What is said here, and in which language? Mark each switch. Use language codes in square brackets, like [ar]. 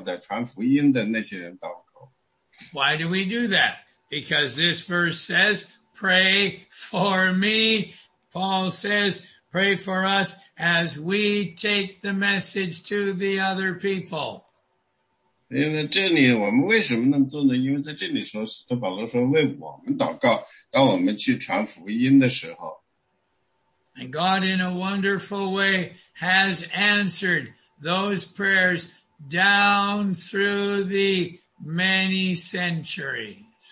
[zh] 因为你知道，通常在星期二的晚上，我们聚在一起祷告的时候，我们为那些在世界各地去宣教的、传福音的那些人祷告。 [en] Why do we do that? Because this verse says, pray for me. Paul says, Pray for us as we take the message to the other people. [zh] 因为在这里我们为什么能做呢？因为在这里说，使徒保罗说为我们祷告，当我们去传福音的时候。 [en] And God in a wonderful way has answered those prayers down through the many centuries.